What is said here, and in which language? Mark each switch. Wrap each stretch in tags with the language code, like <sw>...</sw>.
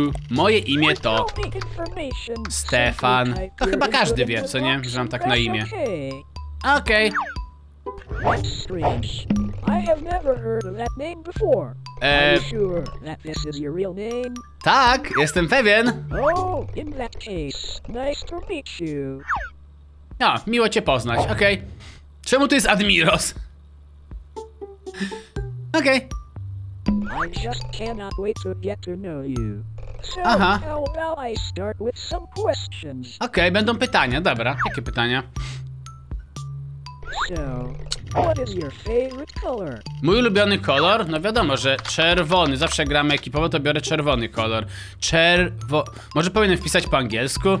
<pl>Moje imię to Stefan. To chyba każdy wie, co nie? Że mam tak na imię. Okej.</pl> <en>That's strange. I have never heard of that name before. Are you sure that this is your real name?</en> <pl>Tak, jestem pewien.</pl> <en>Oh, in that case, nice to meet you.</en> <pl>No, miło cię poznać. Okej. Okay. Czemu to jest Admiros? Okej.</pl> <en>Okay. I just cannot wait to get to know you. So, how about I start with some questions?</en> <pl>Okej, będą pytania. Dobra, jakie pytania?</pl> <en>So, what is your favorite color?</en> <pl>Mój ulubiony kolor? No wiadomo, że czerwony. Zawsze gramy ekipowo, to biorę czerwony kolor. Może powinienem wpisać po angielsku?</pl>